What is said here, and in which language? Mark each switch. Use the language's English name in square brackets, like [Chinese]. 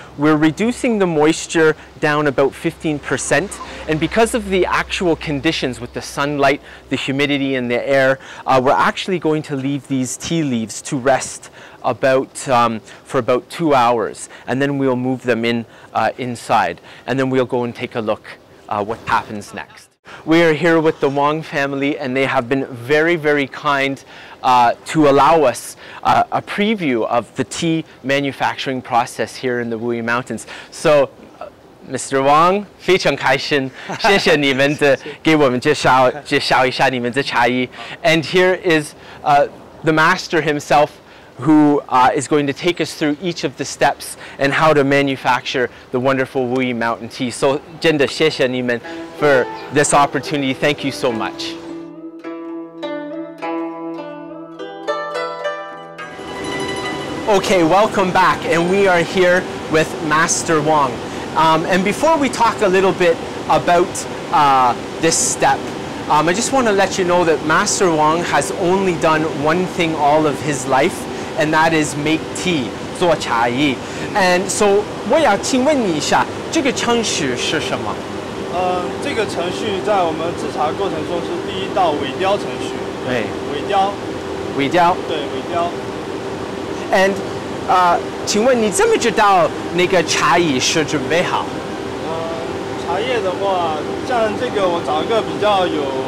[English] We're reducing the moisture down about 15%, and because of the actual conditions with the sunlight, the humidity and the air, we're actually going to leave these tea leaves to rest about for about 2 hours, and then we'll move them in inside, and then we'll go and take a look what happens next. We are here with the Wang family, and they have been very, very kind to allow us a preview of the tea manufacturing process here in the Wuyi Mountains. So, Mr. [Chinese] Wang, 非常开心，谢谢你们的给我们介绍一下你们的茶艺。 [English] And here is the master himself, who is going to take us through each of the steps and how to manufacture the wonderful Wuyi Mountain tea. So, [Chinese] 真的谢谢你们 [English] for this opportunity. Thank you so much. Okay, welcome back. And we are here with Master Wang. And before we talk a little bit about this step, I just want to let you know that Master Wang has only done one thing all of his life, and that is make tea, [Chinese] 做茶艺. [English] And so, [Chinese] 我要请问你一下,这个程序是什么? 这个程序在我们制茶过程中是第一道尾雕程序。对，尾雕。尾雕。对，尾雕。And,请问你怎么知道那个茶艺是准备好？茶叶的话，像这个我找一个比较有